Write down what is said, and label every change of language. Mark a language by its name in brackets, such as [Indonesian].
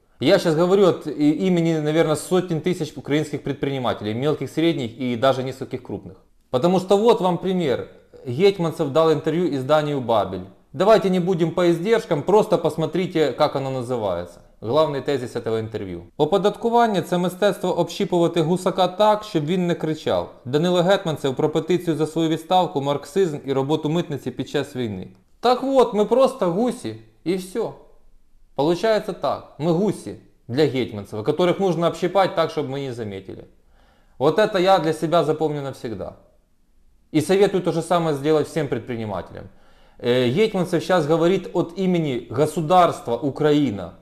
[Russian] Я сейчас говорю от имени, наверное, сотен тысяч украинских предпринимателей, мелких, средних и даже нескольких крупных. Потому что вот вам пример. Гетманцев дал интервью изданию «Бабель». Давайте не будем по издержкам, просто посмотрите, как оно называется. Главный тезис этого интервью. [Ukrainian] Оподаткування – це мистецтво общипувати гусака так, щоб він не кричав. Данило Гетманцев про петицію за свою відставку, марксизм і роботу митниці під час війни. [Russian] Так вот, [Ukrainian] ми просто гуси і все. [Russian] Получается так. [Ukrainian] Ми гуси для [Russian] Гетманцева, которых нужно общипать так, [Ukrainian] щоб ми [Russian] не заметили. Вот это я для себя запомню навсегда. И советую то же самое сделать всем предпринимателям. Гетманцев сейчас говорит от имени государства Украина.